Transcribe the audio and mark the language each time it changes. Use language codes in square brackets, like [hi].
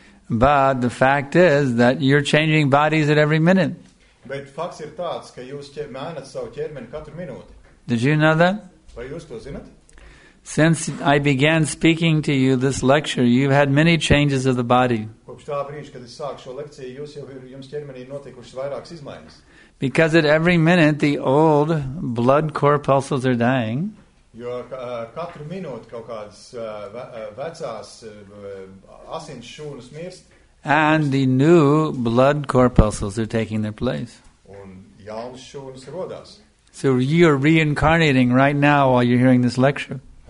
[en] But the fact is that you're changing bodies at every minute. [lv] Bet fakts ir tāds, ka jūs mainat savu ķermeni katru minūti. [en] Did you know that? [lv] Vai jūs to zināt? [en] Since I began speaking to you this lecture, you've had many changes of the body. [lv] Kopš tā brīža, kad es sāku šo lekciju, jums ķermenī notikušas vairākas izmaiņas. [en] Because at every minute the old blood corpuscles are dying. [lv] Jo katru minūti kaut kādas vecās asins šūnas mirst. [en] And the new blood corpuscles are taking their place. [lv] Un jaunas šūnas rodās. [en] So you are reincarnating right now while you're hearing this lecture.